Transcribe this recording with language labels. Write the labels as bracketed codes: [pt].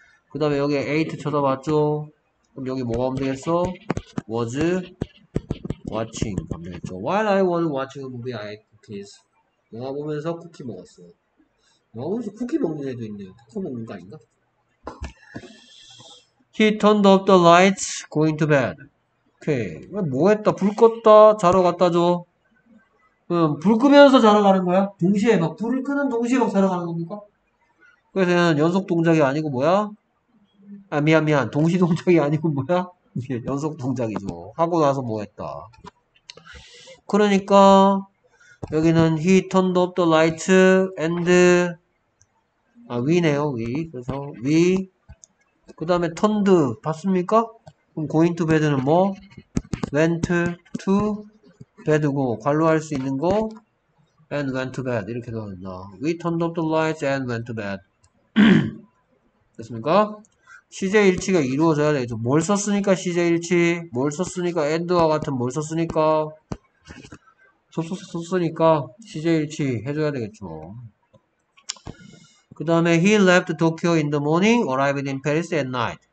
[ko] 그 다음에 여기 8 쳐다봤죠? 그럼 여기 뭐가 하면 되겠어? [en] was watching [ko] 하면 되겠죠. [en] While I was watching a movie, I ate cookies. [ko] 영화 보면서 쿠키 먹었어. 영화 보면서 쿠키 먹는 애도 있네요. 쿠키 먹는 거 아닌가? [en] He turned off the lights, going to bed. [ko] 오케이. 뭐 했다? 불 껐다? 자러 갔다죠? 불 끄면서 자러 가는 거야? 동시에 막 불을 끄는 동시에 막 자러 가는 겁니까? 그래서 얘는 연속 동작이 아니고 뭐야? 아 미안 동시 동작이 아니고 뭐야? 연속 동작이죠. 하고 나서 뭐 했다. 그러니까 여기는 [en] he turned off the lights and [ko] 아 위네요 위. 그래서 위 그 다음에 turned 봤습니까? 그럼 [en] going to bed [ko] 는 뭐? went to bed고 관로 할 수 있는 거 [en] and went to bed [ko] 이렇게 넣었나. [en] we turned off the lights and went to bed [ko] 됐습니까? 시제일치가 이루어져야 되죠. 뭘 썼으니까 시제일치, 뭘 썼으니까 and와 같은 뭘 썼으니까 썼으니까 시제일치 해줘야 되겠죠. 그 다음에 [en] he left Tokyo in the morning, arrived in Paris at night.